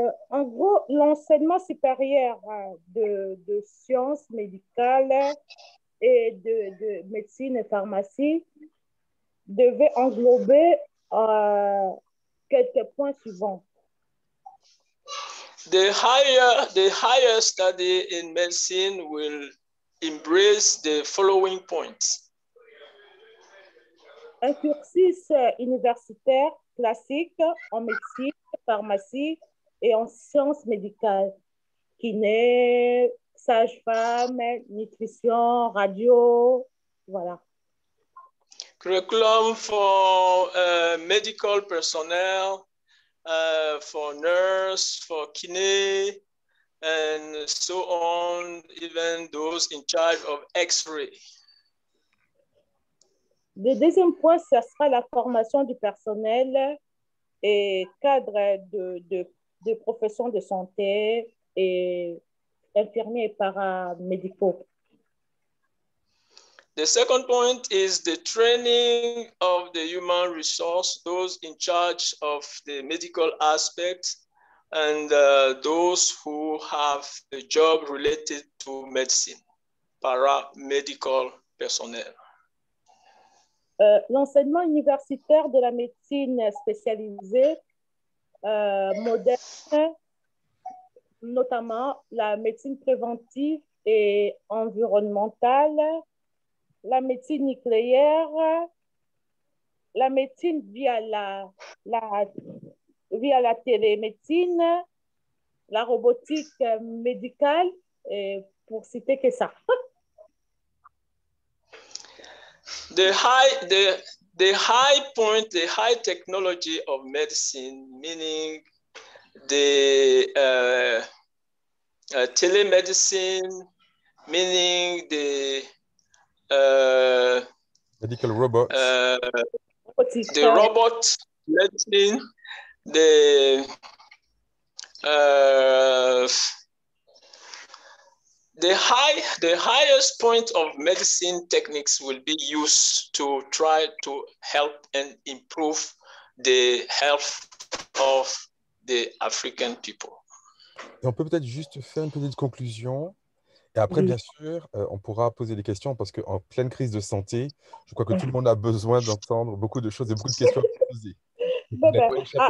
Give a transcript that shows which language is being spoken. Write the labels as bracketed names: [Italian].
[French] En gros, l'enseignement supérieur de sciences médicales et de médecine et pharmacie devait englober quelques points suivants. [English] The higher study in medicine will embrace the following points. [French] Un cursus universitaire classique en médecine, pharmacie et en sciences médicales, kiné, sage-femme, nutrition, radio, voilà. [English] Curriculum for medical personnel. For nurse, for kiné, and so on, even those in charge of X-ray. [French] Le deuxième point, ce sera la formation du personnel et cadre de professions de santé et infirmiers paramédicaux. [English] The second point is the training of the human resource, those in charge of the medical aspect and those who have a job related to medicine, paramedical personnel. [French] L'enseignement universitaire de la médecine spécialisée moderne, notamment la médecine préventive et environnementale, la médecine nucléaire, la médecine via la télémédecine, la robotique médicale pour citer que ça. [English] The high technology of medicine, meaning the telemedicine, meaning the medical robots, the robot medicine, the highest point of medicine techniques will be used to try to help and improve the health of the African people. [French] Et on peut peut-être juste faire une petite conclusion. Et après, bien sûr, on pourra poser des questions parce qu'en pleine crise de santé, je crois que tout le monde a besoin d'entendre beaucoup de choses et beaucoup de questions à poser.